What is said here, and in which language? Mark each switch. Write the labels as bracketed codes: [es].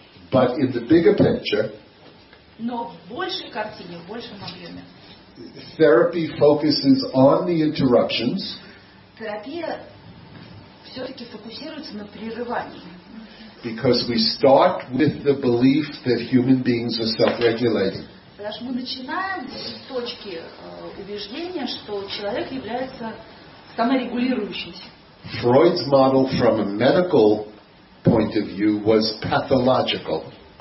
[en] But in the bigger picture, [ru] но в большей картине, в большем объеме, [en] therapy focuses on the interruptions. [ru] Терапия все-таки фокусируется на прерывании. [en] Because we start with the belief that human beings are self-regulating. [ru] Потому что мы начинаем с точки убеждения, что человек является саморегулирующимся. [en] Freud's model from a medical point of view was pathological.